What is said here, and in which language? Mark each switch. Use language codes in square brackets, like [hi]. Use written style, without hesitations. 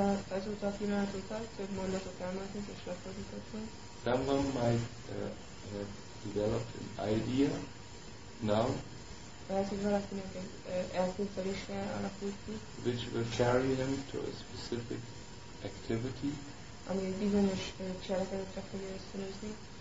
[hu] Ezúta a pillanat után több mondatot elmondtunk és lefordítottunk. [en] Someone might have developed an idea now. [hu] Lehet, hogy valakinek egy elképzelése alakult ki. [en] Which will carry him to a specific activity. [hu] Ami egy bizonyos cselekedetre fogja ösztönözni.